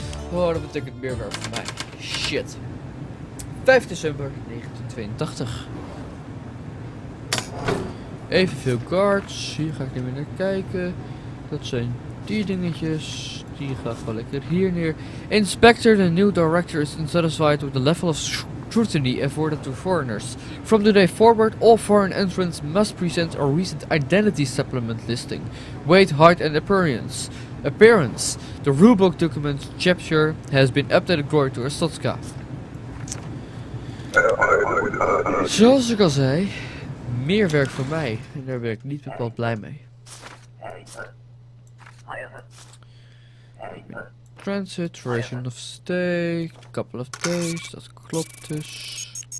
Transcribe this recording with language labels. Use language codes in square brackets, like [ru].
[nl] Oh, dat betekent meer werk voor mij. Shit. 5 december 1982. Evenveel cards. Hier ga ik niet meer naar kijken. Dat zijn die dingetjes. Die ga ik wel lekker hier neer. [en] Inspector, the new director is unsatisfied with the level of scrutiny afforded to foreigners. From today forward, all foreign entrants must present a recent identity supplement listing. Weight, height and appearance. Appearance. The rulebook document chapter has been updated according to Estotska. [nl] Zoals ik al zei, meer werk voor mij. En daar ben ik niet bepaald blij mee. [en] Transit, ration of steak, couple of days, dat klopt dus.